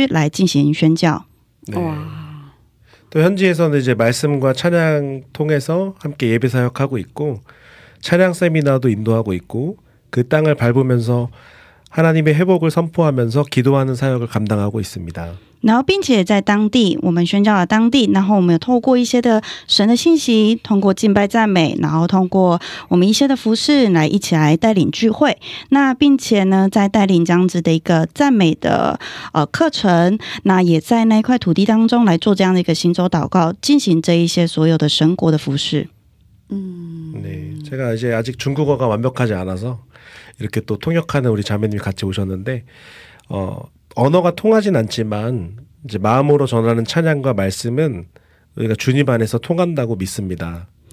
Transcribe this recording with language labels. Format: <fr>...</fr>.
<zh>我目前的话是在韩国进行服事，但是这几年上帝不断的把特别的把中华圈的这样子的一个感动，对于他们这样子一个感动，继续的浇灌在我的心里面。所以呢，我经常前往台湾、香港、中国，然后还有很多地区来进行宣教。哇！또</zh> <ko>현지에서는 이제 말씀과 찬양 통해서 함께 예배 사역하고 있고 찬양 세미나도 인도하고 있고 그 땅을 밟으면서 하나님의 회복을 선포하면서 기도하는 사역을 감당하고 있습니다.</ko> <zh>然后并且在当地我们宣教了当地然后我们有透过一些的神的信息通过敬拜赞美然后通过我们一些的服事来一起来带领聚会那并且呢在带领这样子的一个赞美的课程那也在那块土地当中来做这样的一个行走祷告进行这一些所有的神国的服事</zh> <ko>네, 제가 이제 아직 중국어가 완벽하지 않아서 이렇게 또 통역하는 우리 자매님이 같이 오셨는데 언어가 통하진 않지만 이제 마음으로 전하는 찬양과 말씀은 우리가 주님 안에서 통한다고 믿습니다.</ko>